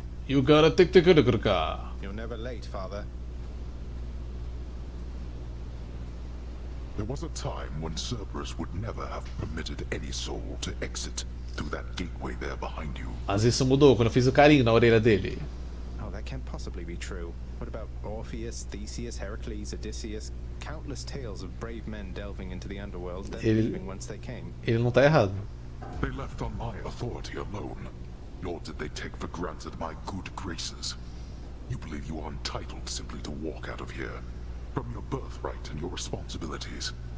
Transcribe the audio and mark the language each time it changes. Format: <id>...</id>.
<en>You gotta take the good of the car. You're never late, father. There was a time when Cerberus would never have permitted any soul to exit through that gateway there behind you.</en> <pt>Mas isso mudou quando eu fiz o carinho na orelha dele.</pt> <en>Oh, that can't possibly be true. What about Orpheus, Theseus, Heracles, Odysseus, countless tales of brave men delving into the underworld, then leaving once they came.</en> <pt>Ele não tá errado.</pt> <en>They left on my authority alone. Nor did they take for granted my good graces. You believe you are entitled simply to walk out of here, from your birthright and your responsibilities.</en>